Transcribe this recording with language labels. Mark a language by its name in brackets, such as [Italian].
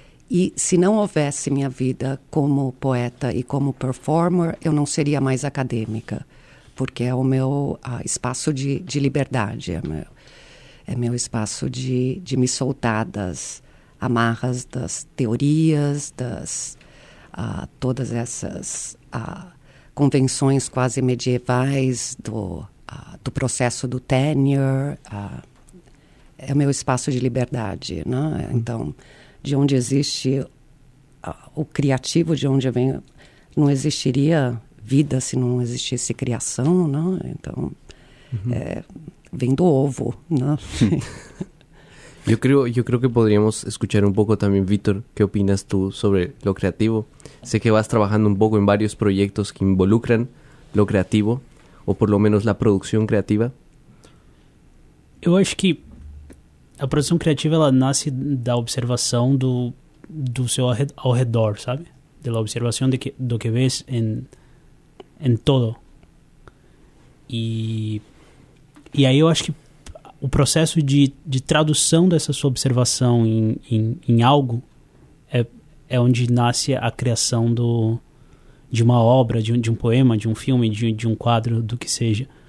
[Portuguese] E se não houvesse minha vida como poeta e como performer, eu não seria mais acadêmica, porque é o meu espaço de liberdade, é meu espaço de me soltar das amarras, das teorias, das todas essas convenções quase medievais do processo do tenure. É o meu espaço de liberdade, né? Então, de onde existe o criativo, de onde vem, não existiria vida se não existisse criação, né? Então, vem do ovo, né? [Spanish] Yo creo que podríamos escuchar un poco también, Víctor, ¿qué opinas tú sobre lo creativo? Sé que vas trabajando un poco en varios proyectos que involucran lo creativo, o por lo menos la producción creativa. [Portuguese] Yo acho que a produção criativa, ela nasce da observação do seu ao redor, sabe? [Spanish] De la [Portuguese] observação do que vês em todo. E aí eu acho que o processo de tradução dessa sua observação em algo é onde nasce a criação de uma obra, de um poema, de um filme, de um quadro, do que seja.